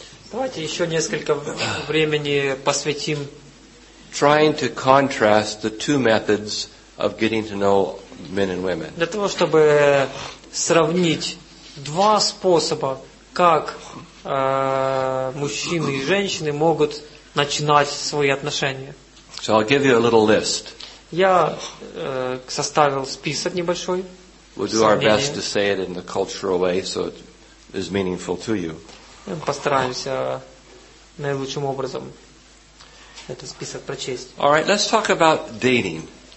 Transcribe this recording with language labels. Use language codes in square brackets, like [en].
[ru] Давайте еще несколько времени посвятим. [en] Trying to contrast the two methods of getting to know men and women. [ru] Для того чтобы сравнить два способа, как мужчины и женщины могут начинать свои отношения. [en] So I'll give you a little list. [ru] Я составил список небольшой. [en] We'll do our best to say it in the cultural way, so it is meaningful to you. [ru] Постараемся наилучшим образом этот список прочесть. [en] All right, let's talk about dating.